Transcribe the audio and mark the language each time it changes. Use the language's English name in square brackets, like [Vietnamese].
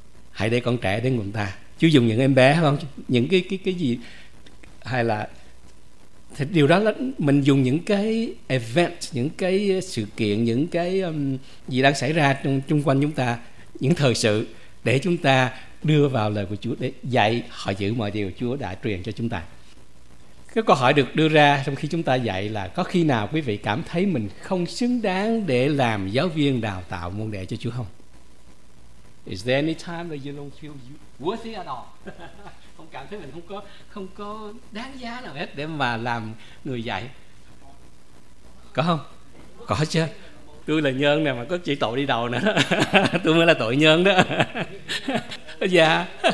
[Vietnamese] Hãy để con trẻ đến cùng Ta. Chúa dùng những em bé không, những cái gì, hay là thì điều đó là mình dùng những cái event, những cái sự kiện, những cái gì đang xảy ra chung quanh chúng ta, những thời sự, để chúng ta đưa vào lời của Chúa, để dạy họ giữ mọi điều Chúa đã truyền cho chúng ta. Cái câu hỏi được đưa ra trong khi chúng ta dạy là: có khi nào quý vị cảm thấy mình không xứng đáng để làm giáo viên đào tạo môn đệ cho Chúa không? [English] Is there any time that you don't feel worthy at all? [Vietnamese] Không cảm thấy mình không có đáng giá nào hết để mà làm người dạy. Có không? Có chứ. Tôi là nhân nè mà có chỉ tội đi đầu nữa. Tôi mới là tội nhân đó. Dạ.